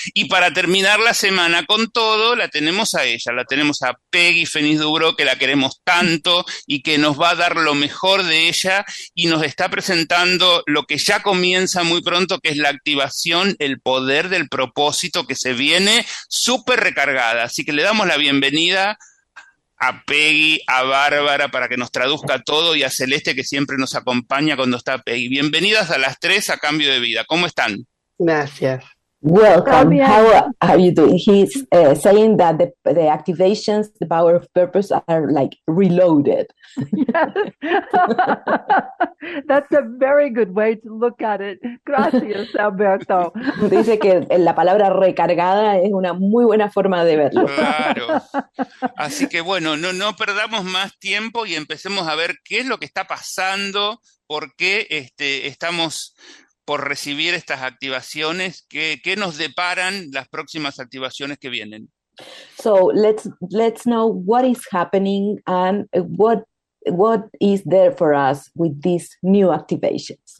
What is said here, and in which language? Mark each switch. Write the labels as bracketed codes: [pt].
[es] Y para terminar la semana con todo, la tenemos a ella, la tenemos a Peggy Fenix Dubrow, que la queremos tanto y que nos va a dar lo mejor de ella y nos está presentando lo que ya comienza muy pronto, que es la activación, el poder del propósito, que se viene súper recargada. Así que le damos la bienvenida a Peggy, a Bárbara, para que nos traduzca todo, y a Celeste, que siempre nos acompaña cuando está Peggy. Bienvenidas a las tres a Cambio de Vida. ¿Cómo están? Gracias. [en] Welcome. How are you doing? He's saying that the activations, the power of purpose, are like reloaded. Yes. That's a very good way to look at it. [es] Gracias, Alberto. Dice que la palabra recargada es una muy buena forma de verlo. Claro. Así que bueno, no perdamos más tiempo y empecemos a ver qué es lo que está pasando, por qué estamos por recibir estas activaciones, ¿qué nos deparan las próximas activaciones que vienen? [en] So let's know what is happening and what is there for us with these new activations.